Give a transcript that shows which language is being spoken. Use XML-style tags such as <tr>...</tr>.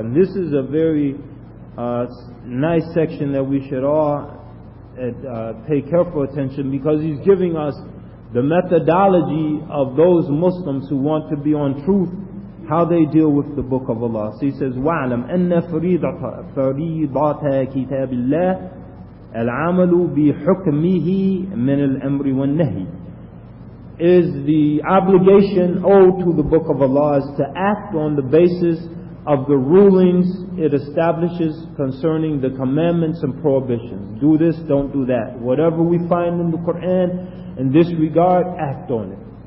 <en>And this is a very nice section that we should all pay careful attention, because he's giving us the methodology of those Muslims who want to be on truth, how they deal with the Book of Allah. So he says,</en> <ar>وَعَلَمْ أَنَّ فَرِيضَةَ كِتَابِ اللَّهِ العمل بحكمه من الأمر والنهي.</ar> <en>Is the obligation owed to the Book of Allah is to act on the basis of the rulings it establishes concerning the commandments and prohibitions. Do this, don't do that. Whatever we find in the Quran in this regard, act on it.</en>